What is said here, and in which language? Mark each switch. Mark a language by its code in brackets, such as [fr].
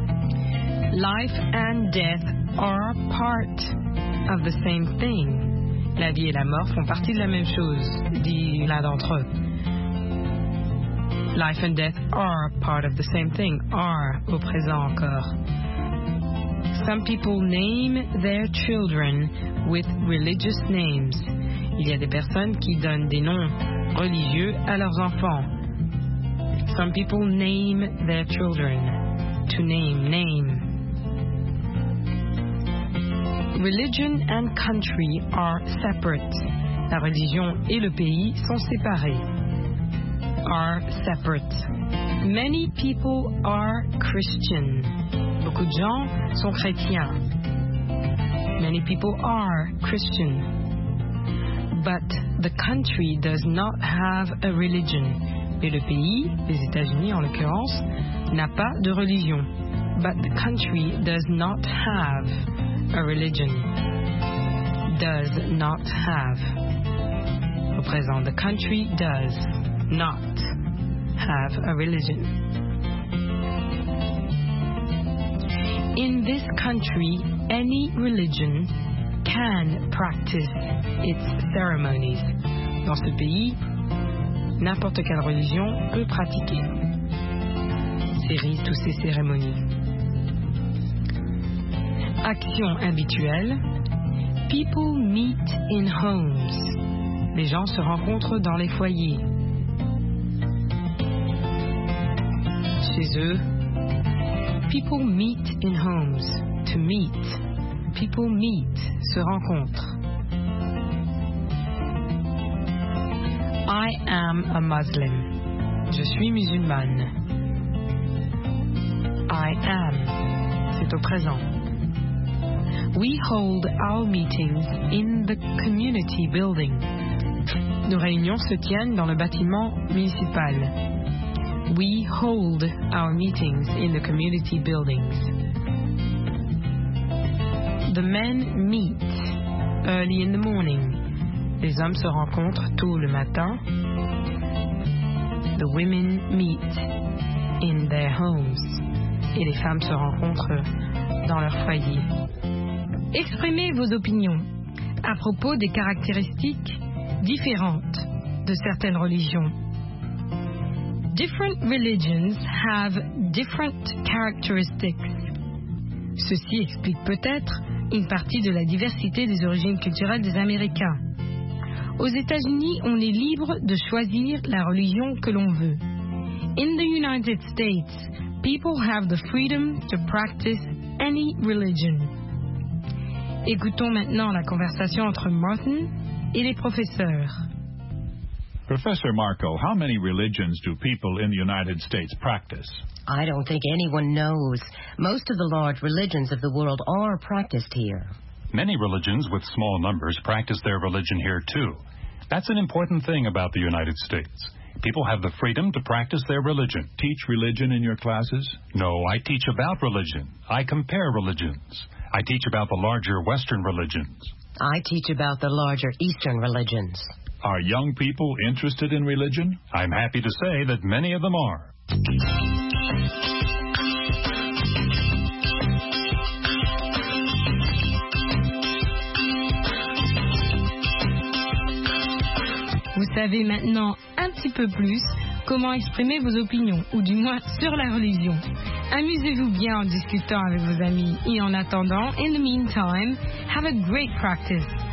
[en] Life and death are part of the same thing. [fr] La vie et la mort font partie de la même chose, dit l'un d'entre eux. [en] Life and death are part of the same thing, are [fr] au présent encore. [en] Some people name their children with religious names. [fr] Il y a des personnes qui donnent des noms religieux à leurs enfants. [en] Some people name their children. To name, name. Religion and country are separate. [fr] La religion et le pays sont séparés. [en] Are separate. Many people are Christian. [fr] Beaucoup de gens sont chrétiens. [en] Many people are Christian. But the country does not have a religion. [fr] Mais le pays, les États-Unis en l'occurrence, n'a pas de religion. [en] But the country does not have a religion. Does not have. [fr] Au présent, [en] the country does not have a religion. In this country, any religion can practice its ceremonies. [fr] Dans ce pays, n'importe quelle religion peut pratiquer toutes ses cérémonies. Action habituelle. [en] People meet in homes. [fr] Les gens se rencontrent dans les foyers. Chez eux. [en] People meet in homes. To meet. People meet, [fr] se rencontrent. [en] I am a Muslim. [fr] Je suis musulmane. [en] I am. [fr] C'est au présent. [en] We hold our meetings in the community building. [fr] Nos réunions se tiennent dans le bâtiment municipal. [en] We hold our meetings in the community buildings. The men meet early in the morning. [fr] Les hommes se rencontrent tôt le matin. [en] The women meet in their homes. [fr] Et les femmes se rencontrent dans leur foyer. Exprimez vos opinions à propos des caractéristiques différentes de certaines religions. [en] Different religions have different characteristics. [fr] Ceci explique peut-être une partie de la diversité des origines culturelles des Américains. Aux États-Unis, on est libre de choisir la religion que l'on veut. In the United States, people have the freedom to practice any religion. Écoutons maintenant la conversation entre Martin et les professeurs. [en] Professor Marco, how many religions do people in the United States practice? I don't think anyone knows. Most of the large religions of the world are practiced here. Many religions with small numbers practice their religion here too. That's an important thing about the United States. People have the freedom to practice their religion. Teach religion in your classes? No, I teach about religion. I compare religions. I teach about the larger Western religions. I teach about the larger Eastern religions. Are young people interested in religion? I'm happy to say that many of them are. [fr] Vous savez maintenant un petit peu plus comment exprimer vos opinions, ou du moins sur la religion. Amusez-vous bien en discutant avec vos amis. Et en attendant, [en] in the meantime, have a great practice.